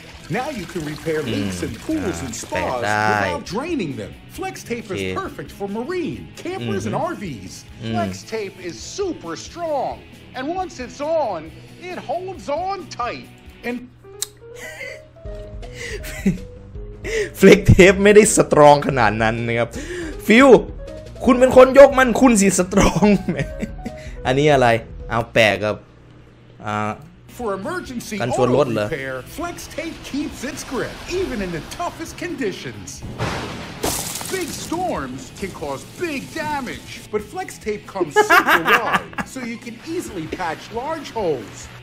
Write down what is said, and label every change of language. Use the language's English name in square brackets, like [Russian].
[English] Now you can repair leaks and pools and spas without draining them. Flex tape is perfect for marine, campers and RVs. Flex tape is super strong and once it's on, it holds on tight. And [Thai] Flex tape ไม่ได้สตรองขนาดนั้นนะครับฟิวคุณเป็นคนยกมันคุณสิสตรองแม่อันนี้อะไรเอาแปะกับกันชนรถเหรอ [English] Flex Tape keeps its grip even in the toughest conditions Big storms can cause big damage but Flex Tape comes super wide so you can easily patch large holes